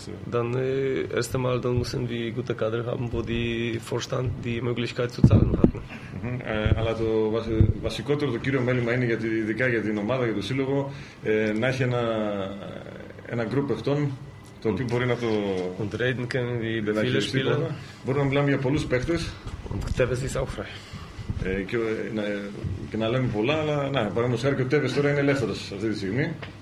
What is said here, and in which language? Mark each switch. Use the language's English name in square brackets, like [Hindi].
[German] Dann erst einmal dann müssen wir gute Kader haben, wo die Vorstand die Möglichkeit zu zahlen hat. [Greek] Αλλά το βασικότερο, το κύριο μέλημα είναι ειδικά για την ομάδα, για το σύλλογο, να έχει ένα γκρουπ παιχτών, το οποίο μπορεί να το... [German] Und reden können wir über viele Spieler. [Greek] Μπορούμε να μιλάμε για πολλούς παίχτες. [German] Und Tevez ist auch frei. [Greek] Και να λέμε πολλά, αλλά να, παραδείγματος χάρη, ο Tevez τώρα είναι ελεύθερος αυτή τη στιγμή.